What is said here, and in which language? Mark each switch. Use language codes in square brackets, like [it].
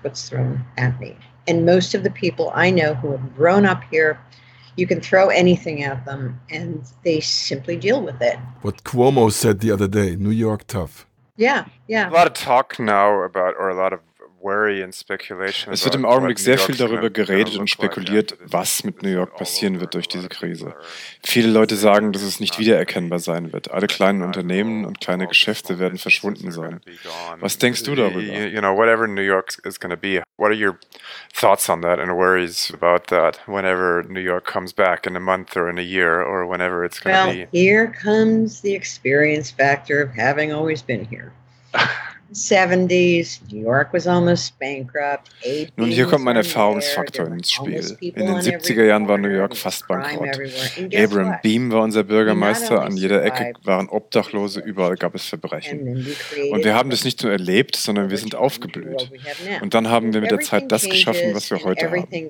[en] And most of the people I know who have grown up here, you can throw anything at them and they simply deal with it. What Cuomo said the other day, New York tough. Yeah, yeah. A lot of talk now about, or a lot of worry and speculation. [de] Es wird im Augenblick sehr viel darüber geredet und spekuliert, was mit New York passieren wird durch diese Krise. Viele Leute sagen, dass es nicht wiedererkennbar sein wird. Alle kleinen Unternehmen und kleine Geschäfte werden verschwunden sein. Was denkst du darüber? [en] You know, whatever New York is going to be. What are your thoughts on that and worries about that whenever New York comes back in a month or in a year or whenever it's going to be? Well, here comes the experience factor of having always been here. 70s, New York was almost bankrupt. [de] Nun, hier kommt mein Erfahrungsfaktor ins Spiel. In den 70er Jahren war New York fast bankrott. Abraham Beam war unser Bürgermeister, an jeder Ecke waren Obdachlose, überall gab es Verbrechen. Und wir haben das nicht nur erlebt, sondern wir sind aufgeblüht. Und dann haben wir mit der Zeit das geschaffen, was wir heute haben.